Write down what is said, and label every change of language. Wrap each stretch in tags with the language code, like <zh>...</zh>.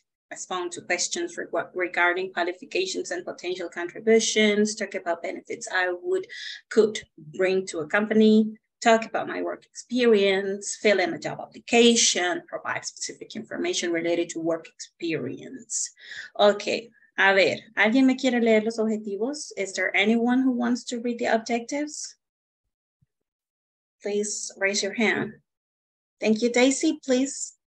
<en>Respond to questions regarding qualifications and potential contributions, talk about benefits I could bring to a company, talk about my work experience, fill in a job application, provide specific information related to work experience, okay?</en> <es>A ver, ¿alguien me quiere leer los objetivos?</es> <en>Is there anyone who wants to read the objectives? Please raise your hand. Thank you, Daisy, please.</en>